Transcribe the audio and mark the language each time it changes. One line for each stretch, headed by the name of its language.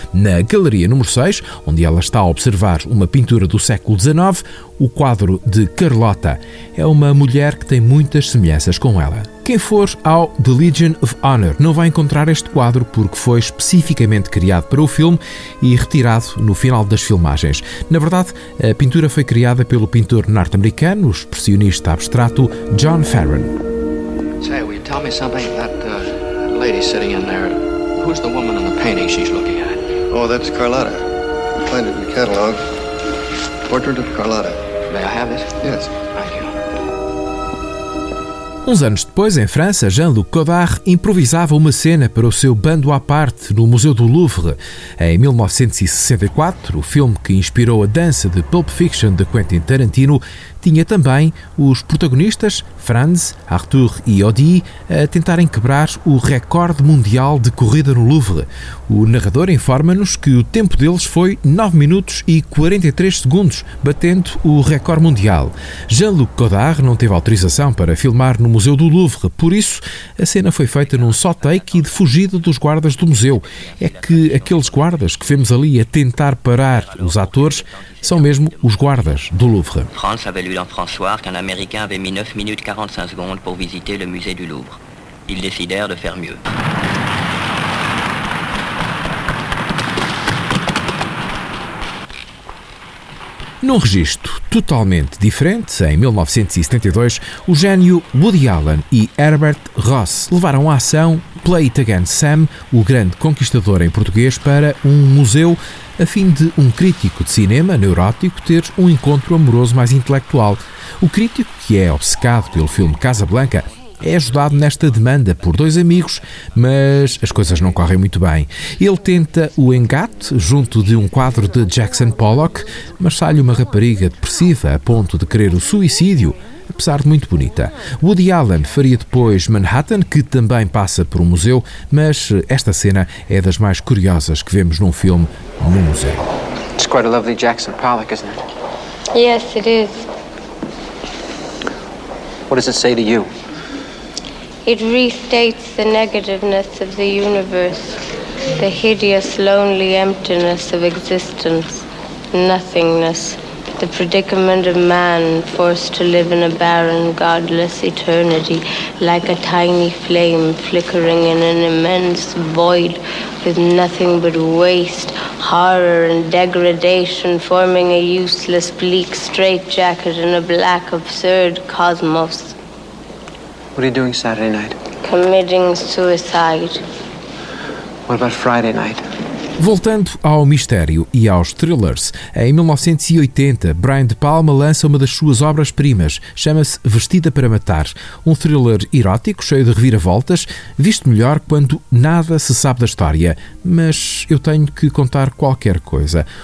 Portuguese: Na Galeria número 6, onde ela está a observar uma pintura do século XIX, o quadro de Carlota, é uma mulher que tem muitas semelhanças com ela. Quem for ao The Legion of Honor não vai encontrar este quadro porque foi especificamente criado para o filme e retirado no final das filmagens. Na verdade, a pintura foi criada pelo pintor norte-americano, o expressionista abstrato John Farron.
English: Say, will you tell me something about the lady sitting in there? Who's the woman in the painting she's looking at? Oh, that's Carlotta. I find it in the catalog. Portrait of Carlotta. May I have it? Yes.
Portuguese: Uns anos depois, em França, Jean-Luc Godard improvisava uma cena para o seu Bando à Parte no Museu do Louvre. Em 1964, o filme que inspirou a dança de Pulp Fiction de Quentin Tarantino tinha também os protagonistas, Franz, Arthur e Odie, a tentarem quebrar o recorde mundial de corrida no Louvre. O narrador informa-nos que o tempo deles foi 9 minutos e 43 segundos, batendo o recorde mundial. Jean-Luc Godard não teve autorização para filmar no Museu do Louvre, por isso a cena foi feita num só take e de fugida dos guardas do museu. É que aqueles guardas que vemos ali a tentar parar os atores são mesmo os guardas do Louvre.
French: France avait lu dans François qu'un Américain avait mis 9 minutes 45 secondes pour visiter le musée du Louvre. Ils décidèrent de faire mieux.
Portuguese: Num registro totalmente diferente, em 1972, o gênio Woody Allen e Herbert Ross levaram à ação Play It Again Sam, o grande conquistador em português, para um museu a fim de um crítico de cinema neurótico ter um encontro amoroso mais intelectual. O crítico, que é obcecado pelo filme Casablanca, é ajudado nesta demanda por dois amigos, mas as coisas não correm muito bem. Ele tenta o engate junto de um quadro de Jackson Pollock, mas sai-lhe uma rapariga depressiva a ponto de querer o suicídio. apesar de muito bonita. Woody Allen faria depois Manhattan, que também passa por um museu, mas esta cena é das mais curiosas que vemos num filme num museu.
English: It's quite a lovely Jackson Pollock, isn't it? Yes, it is. What does it say to you? It restates the negativeness of the universe, the hideous, lonely emptiness of existence, nothingness, the predicament of man forced to live in a barren, godless eternity, like a tiny flame flickering in an immense void with nothing but waste, horror and degradation, forming a useless, bleak straitjacket in a black, absurd cosmos. What are you doing Saturday night? Committing suicide. What about Friday night?
Portuguese: Voltando ao mistério e aos thrillers, em 1980, Brian De Palma lança uma das suas obras-primas, chama-se Vestida para Matar, um thriller erótico, cheio de reviravoltas, visto melhor quando nada se sabe da história, mas eu tenho que contar qualquer coisa.